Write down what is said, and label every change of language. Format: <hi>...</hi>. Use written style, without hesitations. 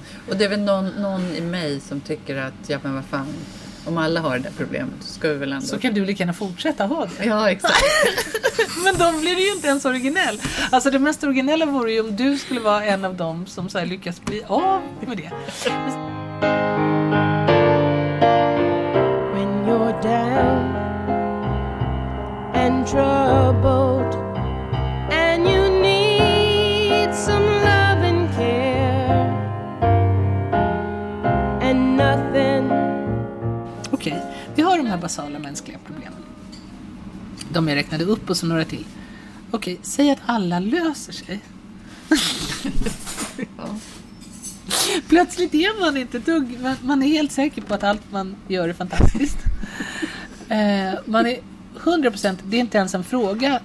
<sv>Och det är väl någon i mig som tycker att, ja men vad fan, om alla har det där problemet så ska vi väl ändå... Så kan du lika gärna fortsätta ha det. Ja, exakt. Men då blir det ju inte ens originell. Alltså det mest originella vore ju om du skulle vara en av dem som så här lyckas bli av med det.</sv> <en>When you're down and troubled and you need some love and care and nothing.</en> <sv>Okej, vi har de här basala mänskliga problemen. De är räknade upp och så några till. Okej, säg att alla löser sig. Ja. Plötsligt är man inte dugg. Man är helt säker på att allt man gör är fantastiskt. Man är 100%, det är inte ens en fråga.</sv>